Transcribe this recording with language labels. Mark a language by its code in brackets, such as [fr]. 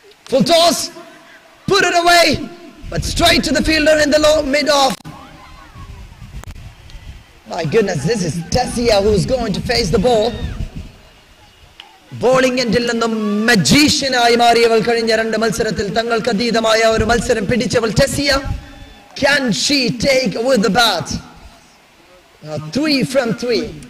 [en] Full toss, put it away, but straight to the fielder in the low mid off. My goodness, this is Tessia who's going to face the ball. [ml] Bowling എൻഡിൽ നിന്നും മജീഷ്യനായി മാറിയവൾ കഴിഞ്ഞ 2 മത്സരത്തിൽ തങ്ങൾക്ക് അതീതമായ ഒരു മത്സരം പിടിച്ചവൾ ടെസിയ. [en] Can she take with the bat? 3 from 3.